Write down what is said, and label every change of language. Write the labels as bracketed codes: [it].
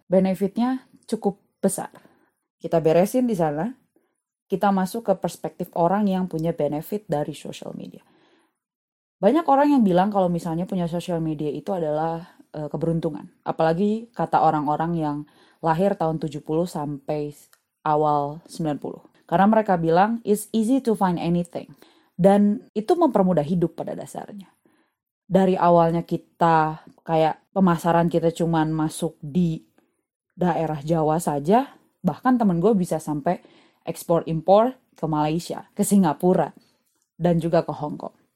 [id] Benefitnya cukup besar. Kita beresin di sana, kita masuk ke perspektif orang yang punya benefit dari social media. Banyak orang yang bilang kalau misalnya punya social media itu adalah keberuntungan. Apalagi kata orang-orang yang lahir tahun 70 sampai awal 90. Karena mereka bilang, [en] it's easy to find anything. [id] Dan itu mempermudah hidup pada dasarnya. Dari awalnya kita kayak pemasaran kita cuman masuk di daerah Jawa saja. Bahkan temen gue bisa sampai ekspor-impor ke Malaysia, ke Singapura, dan juga ke Hong Kong.